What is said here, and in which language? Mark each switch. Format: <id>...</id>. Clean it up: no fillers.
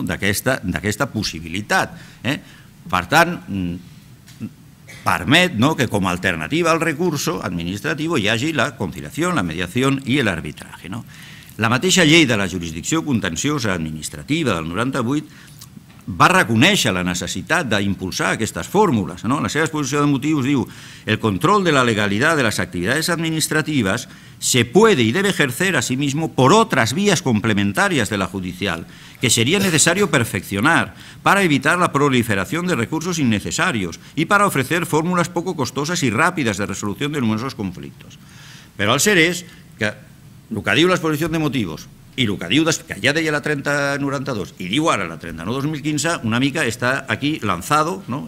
<ca>d'aquesta possibilitat, Per tant, permet, no, que com a alternativa al recurs administratiu hi hagi la conciliació, la mediació i l'arbitratge. No? La mateixa llei de la jurisdicció contenciosa administrativa del 98 va reconèixer la necessitat d'impulsar aquestes fórmules. No? La seva exposició de motius diu: el control de la legalitat de les activitats administratives</ca> <es>se puede y debe ejercer a sí mismo por otras vías complementarias de la judicial, que sería necesario perfeccionar para evitar la proliferación de recursos innecesarios y para ofrecer fórmulas poco costosas y rápidas de resolución de numerosos conflictos.</es> <ca>Però el cert és que el que diu l'exposició de motius i el que diu, que ja deia la 3092 i diu ara la 39-2015, una mica està aquí lanzado, no?</ca>